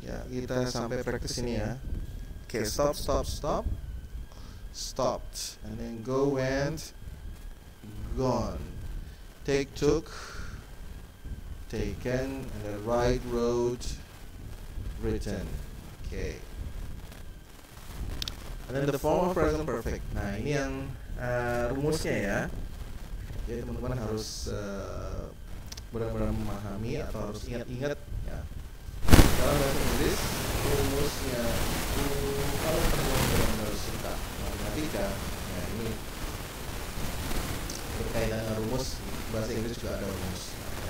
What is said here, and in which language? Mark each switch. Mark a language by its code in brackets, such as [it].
[id] Kita sampai practice ini ya. [en] Okay, stop, stop, stop, stopped, and then go, went, gone, take, took, taken, and the right road, written. Okay. And then the form of present perfect. [id] Nah, ini yang rumusnya ya. Jadi teman-teman harus benar-benar memahami atau harus ingat-ingat. Dalam bahasa Inggris, rumusnya itu kalau teman-teman harus cinta matematika, nah ini berkaitan dengan rumus, bahasa Inggris juga ada rumus ya.